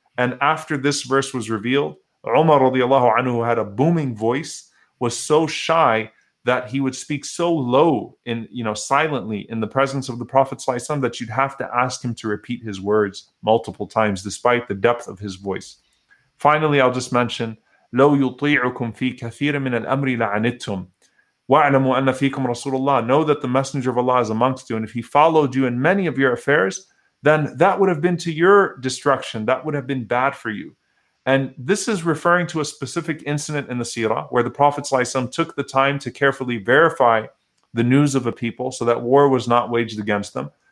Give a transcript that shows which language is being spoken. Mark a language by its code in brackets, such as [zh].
[en] And after this verse was revealed, Umar radiallahu anhu, who had a booming voice, was so shy that he would speak so low in, you know, silently in the presence of the Prophet sallallahu alaihi wasallam, that you'd have to ask him to repeat his words multiple times despite the depth of his voice. Finally, I'll just mention, [ar] لو يطيعكم في كثير من الأمر لعنتم وعلموا أن فيكم رسول الله. [en] Know that the Messenger of Allah is amongst you, and if he followed you in many of your affairs, then that would have been to your destruction. That would have been bad for you. And this is referring to a specific incident in the seerah where the Prophet ﷺ took the time to carefully verify the news of a people so that war was not waged against them.